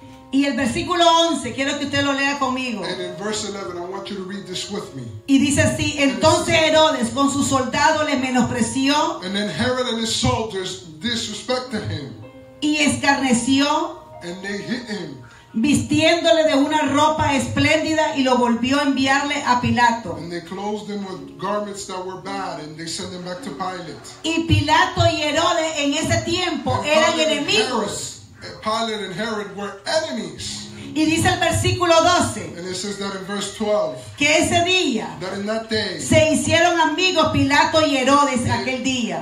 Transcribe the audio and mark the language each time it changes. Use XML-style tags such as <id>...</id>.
<es>Y el versículo 11, quiero que usted lo lea conmigo.</es> <en>And in verse 11, I want you to read this with me.</en> <es>Y dice así, entonces Herodes con sus soldados le menospreció.</es> <en>And then Herod and his soldiers disrespected him.</en> <es>Y escarneció.</es> <en>And they hit him.</en> <es>Vistiéndole de una ropa espléndida y lo volvió a enviarle a Pilato.</es> <en>And they clothed him with garments that were bad and they sent him back to Pilate.</en> <es>Y Pilato y Herodes en ese tiempo eran enemigos.</es> <en>Pilate and Herod were enemies.</en> <es>Y dice el versículo 12.</es> <en>And it says that in verse 12.</en> <es>Que ese día.</es> <en>That in that day.</en> <es>Se hicieron amigos Pilato y Herodes aquel día.</es>